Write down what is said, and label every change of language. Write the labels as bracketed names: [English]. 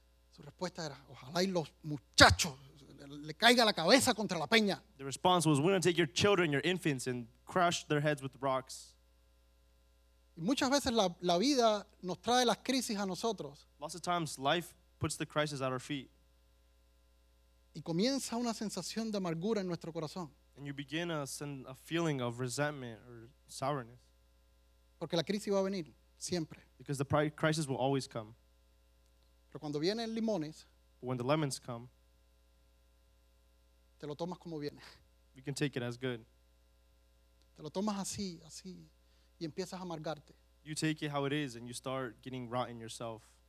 [Spanish] Su respuesta era, ojalá y los muchachos le caiga la cabeza contra la peña. [English] The response was, we're going to take your children, your infants, and crush their heads with rocks. [Spanish] Y muchas veces la vida nos trae las crisis a nosotros. [English] Lots of times life puts the crisis at our feet. [Spanish] Y comienza una sensación de amargura en nuestro corazón. [English] And you begin a feeling of resentment or sourness. [Spanish] Porque la crisis va a venir siempre. [English] Because the crisis will always come. [Spanish] Pero cuando vienen limones, [English] when the lemons come, [Spanish] te lo tomas como viene. [English] You can take it as good. [Spanish] Te lo tomas así, así, y empiezas a amargarte. [English] You take it how it is and you start getting rotten yourself.